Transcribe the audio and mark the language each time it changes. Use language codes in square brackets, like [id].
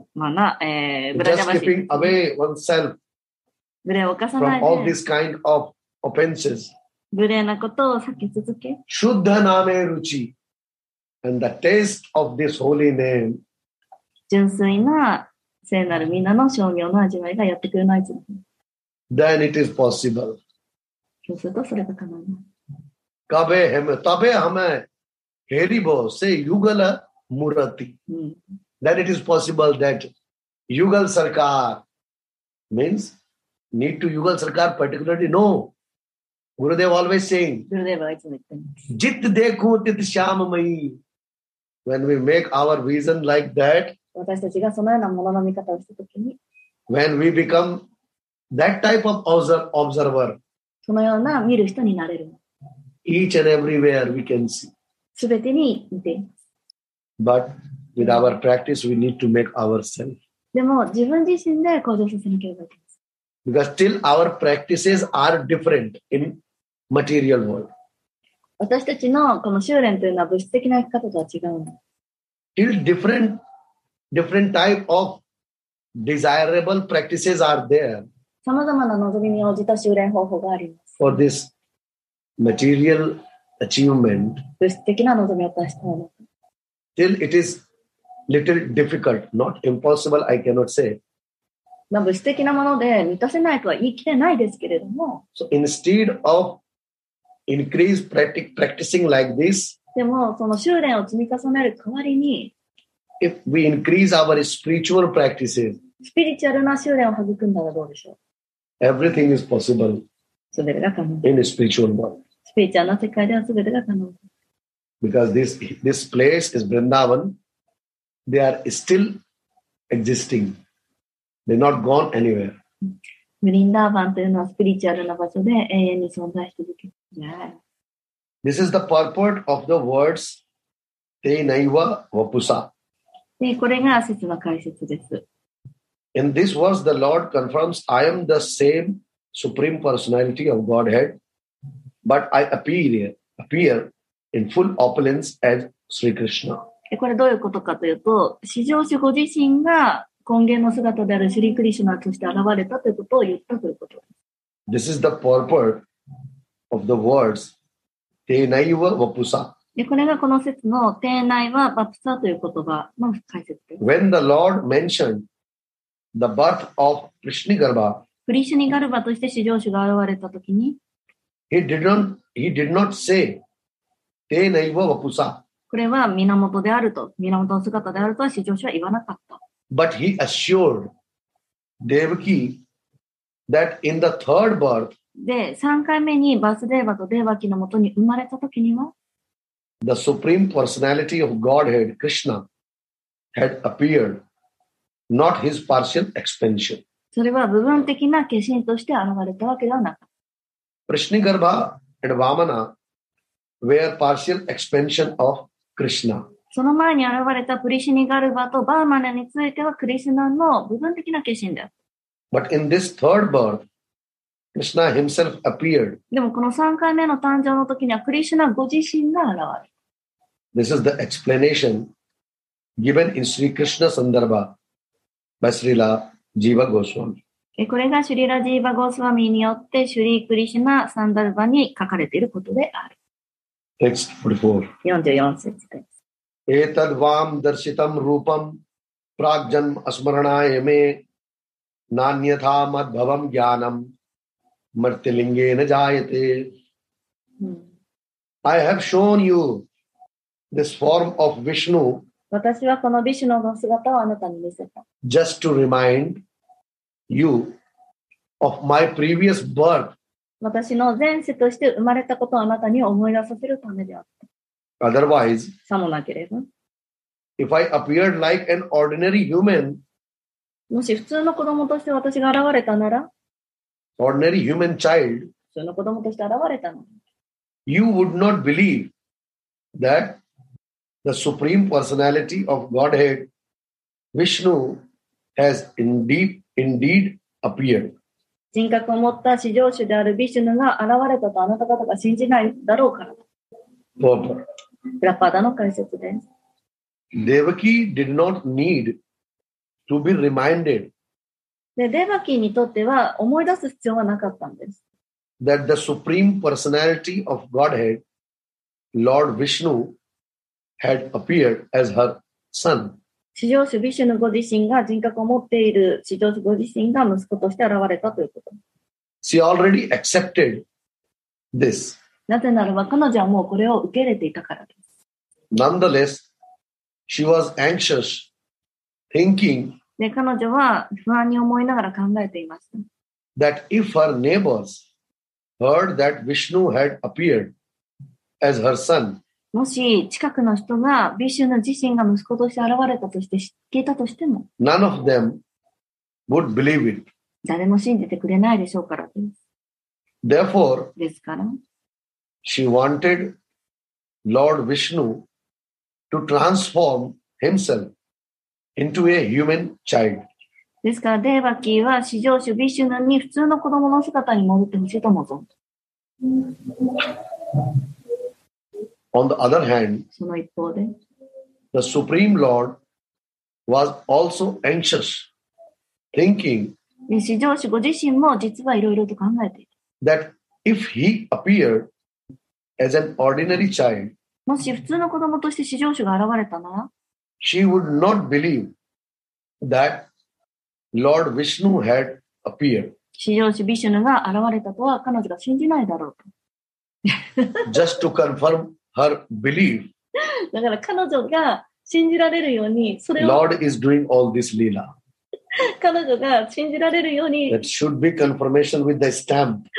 [en] Just keeping away oneself from all these kind of offenses. Shuddha Naam Ruchi and the taste of this holy name. [ja] 純粋な聖なる皆の商業の味わいがやってくれないと。 [en] Then it is possible. [ja] そうするとそれが可能な。カベヘメタベハメヘリボセユガラムラティ。 [en] Then it is possible that Yugal Sarkar means need to Yugal Sarkar particularly know. Gurudev always saying. Gurudev always saying. [hi] Jit dekho tit shyam mai. [en] When we make our vision like that. [ja] 私たちがそのようなものの見方をしたときに、 [en] When we become that type of observer, [ja] そのような見る人になれる。 [en] Each and everywhere we can see. [ja] すべてに見ています。 [en] But with our practice, we need to make ourselves. [ja] でも自分自身で向上させなければいけません。 [en] Because still our practices are different in material world. [ja] 私たちのこの修練というのは物質的な生き方とは違う。 [en] Still different. Different type of desirable practices are there. [ja] さまざまな望みに応じた修練方法があります。 [en] For this material achievement, [ja] 物質的な望みを達したもの。 [en] Till it is little difficult, not impossible, I cannot say. [ja] まあ、物質的なもので満たせないとは言い切れないですけれども。 [en] So instead of increase practicing like this, [ja] でもその修練を積み重ねる代わりに。 [en] If we increase our spiritual practices, [ja] スピリチュアルな修練を育んだらどうでしょう? [en] Everything is possible. [ja] それが可能。 [en] In a spiritual world. [ja] スピリチュアルな世界では全てが可能。 [en] Because this place is Vrindavan. They are still existing. They're not gone anywhere. [ja] Vrindavan というのはスピリチュアルな場所で永遠に存在し続ける。 [en] This is the purport of the words Te Naiva Vapusa. In this verse, the Lord confirms, I am the same Supreme Personality of Godhead, but I appear in full opulence as Sri Krishna. [ja] これどういうことかというと、至上主ご自身が根源の姿であるシュリクリシュナとして現れたということを言ったということです。 [en] This is the purport of the words, te naiva vapusa. [ja] これがこの説の te naiva vapusa という言葉の解説です。 [en] When the Lord mentioned the birth of Krishnigarbha, [ja] クリシュニガルバとして至上主が現れたときに、 [en] He did not say te naiva vapusa. [ja] これは源であると、源の姿であるとは至上主は言わなかった。 [en] But he assured Devaki that in the third birth, [ja] で、3回目にバスデーバとデーバキのもとに生まれたときには、 [en] The Supreme Personality of Godhead, Krishna, had appeared, not his partial expansion. [ja] それは部分的な化身として現れたわけではなかった。 [en] Krishnigarbha and Vamana were partial expansion of Krishna. [ja] その前に現れたプリシニガルバとバーマネについてはクリシナの部分的な化身です。 [en] But in this third birth, Krishna himself appeared. [ja] でもこの3回目の誕生の時にはクリシナご自身が現れる。 [en] This is the explanation given in Sri Krishna Sandarbha by Sri La Jiva Goswami. [ja] これがシュリラ・ジーバ・ゴスワミによってシュリ・クリシナ・サンダルバに書かれていることである。 [sa] Text 44. 44. Etad vam darsitam rupam prajjan asmaranayame nanyatha madbhavam jnanam martilinge na jayate. [en] I have shown you this form of Vishnu. [ja] 私はこのヴィシュヌの姿をあなたに見せた。 [en] Just to remind you of my previous birth. [ja] 私の前世として生まれたことをあなたに思い出させるためであった。 [en] Otherwise, [ja] さもなければ、 [en] If I appeared like an ordinary human, [ja] もし普通の子供として私が現れたなら、 [en] ordinary human child, [ja] 普通の子供として現れたなら、 [en] You would not believe that the Supreme Personality of Godhead, Vishnu, has indeed appeared. [ja] 人格を持った至上主であるビシュヌが現れたとあなた方が信じないだろうから。プラパダの解説です。 [en] Devaki did not need to be reminded. [ja] で、Devaki にとっては思い出す必要はなかったんです。 [en] That the Supreme Personality of Godhead, Lord Vishnu, had appeared as her son. [ja] 至上主ビシュヌご自身が人格を持っている至上主ご自身が息子として現れたということ。 [en] She already accepted this. [ja] なぜならば彼女はもうこれを受け入れていたからです。 [en] Nonetheless, she was anxious, thinking. [ja] で、彼女は不安に思いながら考えていました。 [en] That if her neighbors heard that Vishnu had appeared as her son. [ja] もし近くの人がビシュヌ自身が息子として現れたとして聞いたとしても、 [en] None of them would believe it. [ja] 誰も信じてくれないでしょうからです。 [en] Therefore, [ja] ですから、 [en] she wanted Lord Vishnu to transform himself into a human child. [ja] ですから、デーバキーは至上主ビシュヌに普通の子供の姿に戻ってほしいと思うぞ。 [en] On the other hand, [ja] その一方で、 [en] the Supreme Lord was also anxious, thinking [ja] 至上主ご自身も実はいろいろと考えている。 [en] That if he appeared as an ordinary child, [ja] もし普通の子供として至上主が現れたなら、 [en] she would not believe that Lord Vishnu had appeared. [ja] 至上主ビシュヌが現れたとは彼女が信じないだろうと。 [en] Just to confirm. Her belief. [ja] だから彼女が信じられるようにそれを。 [en] Lord is doing all this leela. [ja] 彼女が信じられるように。 [en] That should be confirmation with the stamp.